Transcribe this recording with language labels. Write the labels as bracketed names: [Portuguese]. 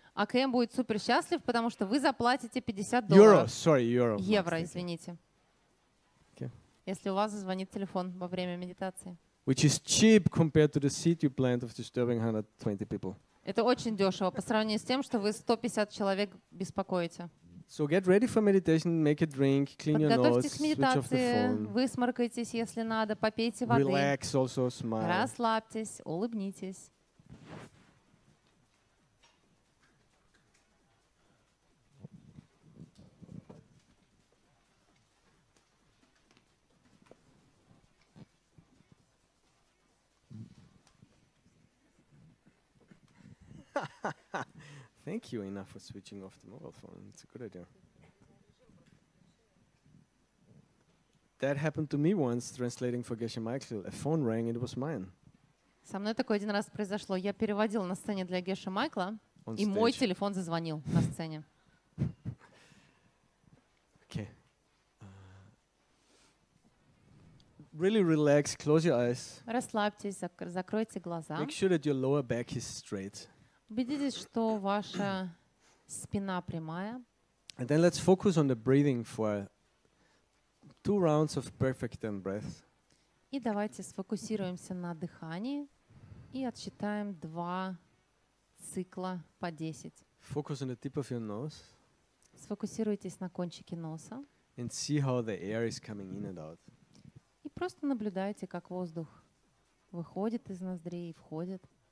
[Russian] АКМ будет супер счастлив, потому что вы заплатите $50. [English] Euro, sorry, euro. [Russian] Евро, извините. [English] Okay. [Russian] Если у вас зазвонит телефон во время медитации. [English] Which is cheap compared to the seat you planned of disturbing 120 people. [Russian] Это очень дешево по сравнению с тем, что вы 150 человек беспокоите. [English] So get ready for meditation, make a drink, clean your nose, switch off the phone. [Russian] Высморкайтесь, если надо, попейте воды. [English] Relax, also smile. [Russian] Расслабьтесь, улыбнитесь. [English] Thank you enough for switching off the mobile phone. It's a good idea. That happened to me once translating for Geshe Michael. A phone rang and it was mine. [Russian] Со мной такое один раз произошло. Я переводил на сцене для Геши Майкла, и мой телефон зазвонил на сцене. [English] Okay. Really relax, close your eyes. [Russian] Расслабьтесь, закройте глаза. [English] Make sure that your lower back is straight. [Russian] Убедитесь, что ваша спина прямая. [English] And then let's focus on the breathing for two rounds of perfect in breath. [Russian] И давайте сфокусируемся на дыхании и отсчитаем 2 цикла по 10. [English] Focus on the tip of your nose. [Russian] Сфокусируйтесь на кончике носа. [English] And see how the air is coming in and out. [Russian] И просто наблюдайте, как воздух выходит из ноздрей и входит.